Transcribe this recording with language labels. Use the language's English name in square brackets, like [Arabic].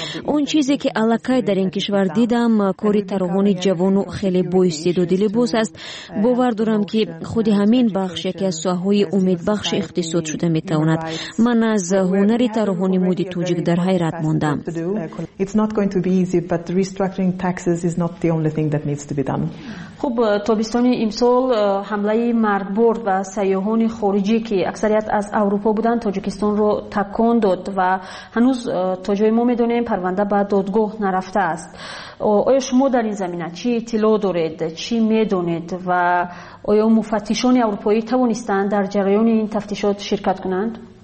[Tajik] Он чизе, ки аллакай дар ин кишвар дидам, кори тароҳони ҷавону хеле боистеъдоди либос аст. Бовар дорам, ки худи ҳамин бахш яке аз соҳаҳои умедбахши иқтисод шуда метавонад. Ман аз ҳунари тароҳони муди тоҷик дар ҳайрат мондам. [English] It's not going to be easy, but restructuring taxes is not the only thing that needs to be done. [Persian] خب تابستانی امسال حمله مرگبار و سیاهان خارجی که اکثریت از اروپا بودند تاجیکستان رو تکان داد و هنوز تا جای ما میدونیم پرونده به دادگاه نرفته است. آیا شما در این زمینه چی اطلاع دارید؟ چی میدونید؟ و آیا مفتشان اروپایی توانستند در جریان این تفتیشات شرکت کنند؟